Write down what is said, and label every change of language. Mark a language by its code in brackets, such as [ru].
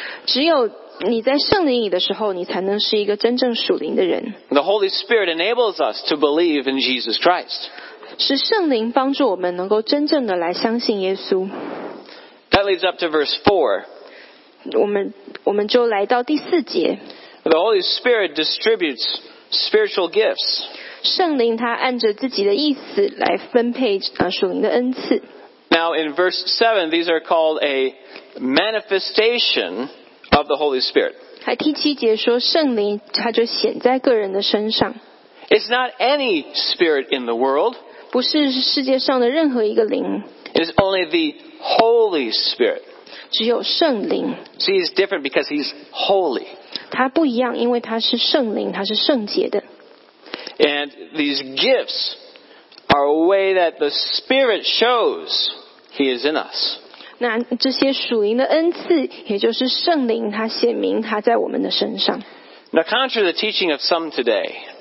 [zh] 只有你在圣灵里的时候，你才能是一个真正属灵的人。 [en] The Holy Spirit enables us to believe in Jesus Christ. [zh] 是圣灵帮助我们能够真正的来相信耶稣。 [en] That leads up to verse 4. [zh] 我们就来到第四节。 [en] The Holy Spirit distributes spiritual gifts. [zh] 圣灵他按着自己的意思来分配属灵的恩赐。 [en] Now in verse 7, these are called a manifestation of the Holy Spirit. [zh] 还第七节说圣灵他就显在个人的身上。 [en] It's not any spirit in the world. [zh] 不是世界上的任何一个灵。 [en] It's only the Holy Spirit. [zh] 只有圣灵。 [en] See, he's different because he's holy. [zh] 他不一样，因为他是圣灵，他是圣洁的。 [en] And these gifts are a way that the Spirit shows he is in us. [zh] 那这些属灵的恩赐，也就是圣灵，他显明他在我们的身上。 [en] Now, contrary to the teaching of some today,